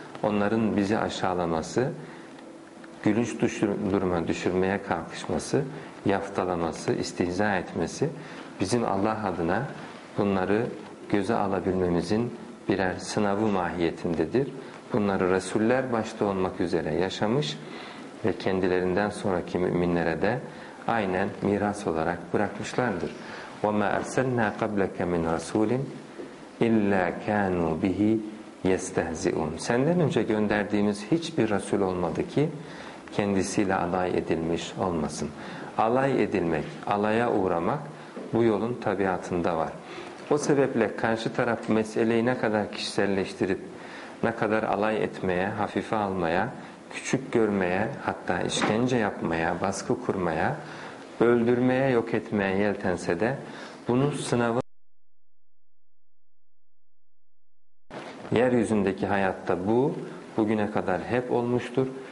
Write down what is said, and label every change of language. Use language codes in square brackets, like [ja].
[tr] Onların bizi aşağılaması, gülünç duruma düşürmeye kalkışması, yaftalaması, istihza etmesi bizim Allah adına bunları göze alabilmemizin birer sınavı mahiyetindedir. Bunları Resuller başta olmak üzere yaşamış ve kendilerinden sonraki müminlere de aynen miras olarak bırakmışlardır. [ar] وما أرسلنا قبلك من رسول إلا كانوا به يستهزئون. [tr] Senden önce gönderdiğimiz hiçbir Resul olmadı ki kendisiyle alay edilmiş olmasın. Alay edilmek, alaya uğramak bu yolun tabiatında var. O sebeple karşı taraf meseleyi ne kadar kişiselleştirip, ne kadar alay etmeye, hafife almaya, küçük görmeye, hatta işkence yapmaya, baskı kurmaya, öldürmeye, yok etmeye yeltense de bunun sınavı yeryüzündeki hayatta bu, bugüne kadar hep olmuştur.